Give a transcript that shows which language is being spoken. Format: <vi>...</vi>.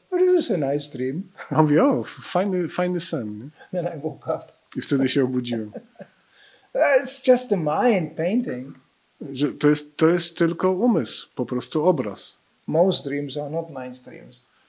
<en>What is this, a nice dream?</en> <pl>I mówię, o, fajny sen.</pl> <en>Then I woke up.</en> <pl>I wtedy się obudziłem.</pl> <en>It's just the mind painting.</en> <pl>Że to jest tylko umysł, po prostu obraz.</pl> <en>Most dreams are not nice dreams.</en>